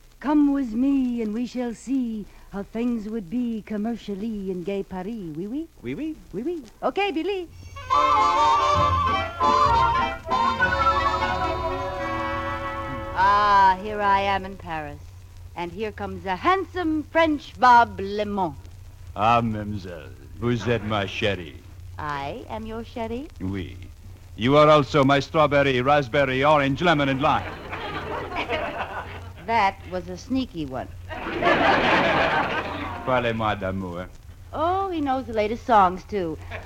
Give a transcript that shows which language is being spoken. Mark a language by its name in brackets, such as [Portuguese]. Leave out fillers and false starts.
[English] Come with me and we shall see how things would be commercially in gay Paris. [French] Oui, oui? Oui, oui. Oui, oui. Okay, Billy. [English] Ah, here I am in Paris. And here comes a handsome French Bob LeMond. [French] Ah, mademoiselle, vous êtes ma chérie. [English] I am your chérie? [French] Oui. [English] You are also my strawberry, raspberry, orange, lemon, and lime. That was a sneaky one. [French] Parlez-moi d'amour. [English] Oh, he knows the latest songs, too.